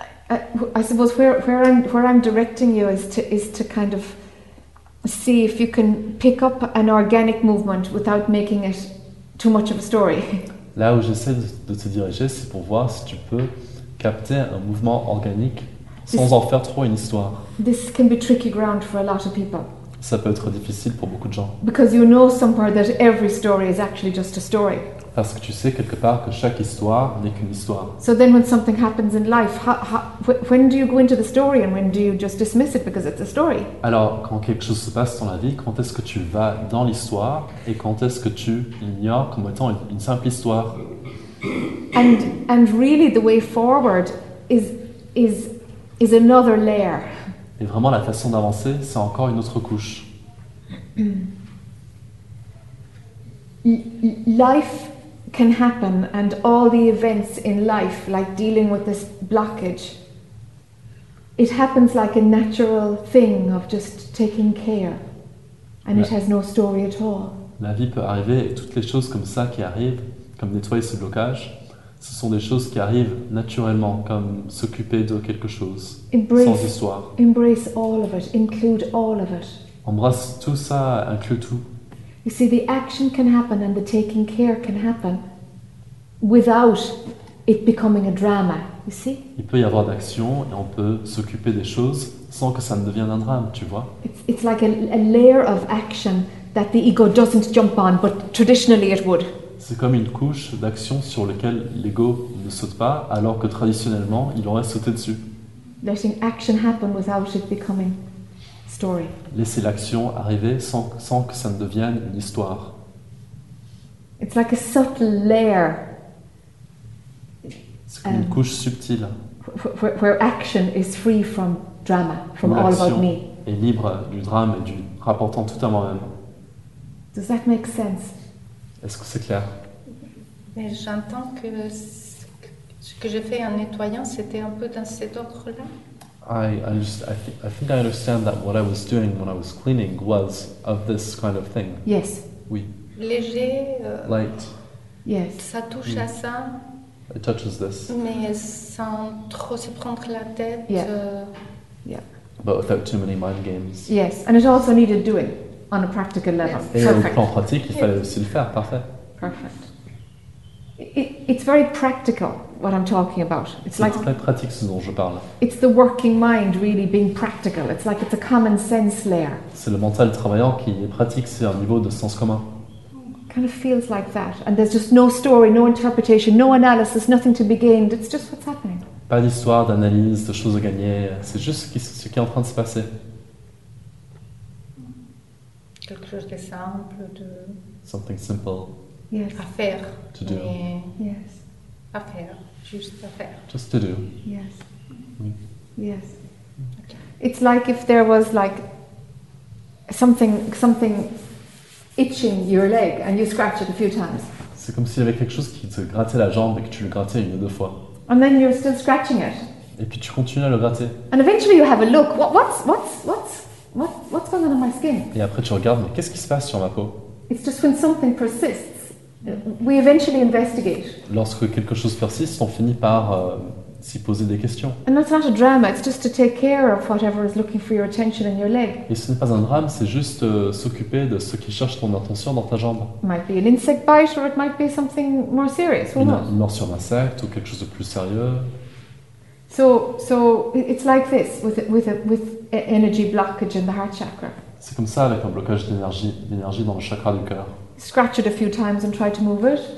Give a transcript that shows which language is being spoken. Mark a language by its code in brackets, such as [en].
[en] I suppose where I'm directing you is to kind of see if you can pick up an organic movement without making it too much of a story. [fr] Là où j'essaie de te diriger, c'est pour voir si tu peux capter un mouvement organique sans en faire trop une histoire. [en] This can be tricky ground for a lot of people. [fr] Ça peut être difficile pour beaucoup de gens. [en] Because you know somewhere that every story is actually just a story. [fr] Parce que tu sais quelque part que chaque histoire n'est qu'une histoire. [en] So then when something happens in life, when do you go into the story and when do you just dismiss it because it's a story? [fr] Alors, quand quelque chose se passe dans la vie, quand est-ce que tu vas dans l'histoire et quand est-ce que tu l'ignores comme étant une simple histoire? [en] And really the way forward is another layer. [fr] Et vraiment la façon d'avancer, c'est encore une autre couche. [en] Life can happen and all the events in life, like dealing with this blockage, it happens like a natural thing of just taking care and it has no story at all. [fr] La vie peut arriver et toutes les choses comme ça qui arrivent, comme nettoyer ce blocage, ce sont des choses qui arrivent naturellement, comme s'occuper de quelque chose, [en] embrace, [fr] sans histoire. [en] Embrace all of it, include all of it. [fr] Embrasse tout ça, inclut tout. [en] You see, the action can happen and the taking care can happen without it becoming a drama, you see? [fr] Il peut y avoir d'action et on peut s'occuper des choses sans que ça ne devienne un drame, tu vois? [en] It's like a layer of action that the ego doesn't jump on, but traditionally it would. [fr] C'est comme une couche d'action sur laquelle l'ego ne saute pas, alors que traditionnellement, il aurait sauté dessus. [en] Letting action happen without it becoming story. [fr] Laisser l'action arriver sans que ça ne devienne une histoire. [en] It's like a subtle layer. [fr] C'est comme une couche subtile. [en] Where action is free from drama, from all about me. [fr] Est libre du drame et du rapportant tout à moi-même. [en] Does that make sense? [fr] Est-ce que c'est clair? Mais j'entends que ce que j'ai fait en nettoyant, c'était un peu dans cet ordre-là. [en] I think I understand that what I was doing when I was cleaning was of this kind of thing. Yes. [fr] Oui. Léger. [en] Light. Yes. [fr] Ça touche à ça. [en] It touches this. [fr] Mais sans trop se prendre la tête. [en] Yeah. But without too many mind games. Yes, and it also needed doing on a practical level. [fr] Et au plan pratique, il fallait aussi le faire. Parfait. [en] Perfect. It's very practical. What I'm talking about. It's like [fr] très pratique, ce dont je parle. [en] It's the working mind really being practical. It's like it's a common sense layer. [fr] C'est le mental travaillant qui est pratique, c'est un niveau de sens commun. [en] Kind of feels like that. And there's just no story, no interpretation, no analysis, nothing to be gained. It's just what's happening. [fr] Pas d'histoire, d'analyse, de choses à gagner. C'est juste ce qui est en train de se passer. Quelque chose de simple, de... [en] Something simple. Yes. [fr] À faire. [en] To do. Yes. [fr] Affair, [en] just to do. Yes. Mm. Yes. Okay. It's like if there was like something itching your leg and you scratch it a few times. [fr] C'est comme s'il y avait quelque chose qui te grattait la jambe et que tu le grattais une ou deux fois. [en] And then you're still scratching it. [fr] Et puis tu continues à le gratter. [en] And eventually you have a look. What's What's going on my skin? [fr] Et après tu regardes, mais qu'est-ce qui se passe sur ma peau? [en] It's just when something persists, we eventually investigate. [fr] Lorsque quelque chose persiste, on finit par s'y poser des questions. [en] And that's not a drama, it's just to take care of whatever is looking for your attention in your leg. [fr] Et ce n'est pas un drame, c'est juste s'occuper de ce qui cherche ton attention dans ta jambe. [en] It might be an insect bite or it might be something more serious. [fr] Une morsure d'insecte ou quelque chose de plus sérieux. [en] So it's like this with energy blockage in the heart chakra. [fr] C'est comme ça avec un blocage d'énergie dans le chakra du cœur. [en] Scratch it a few times and try to move it.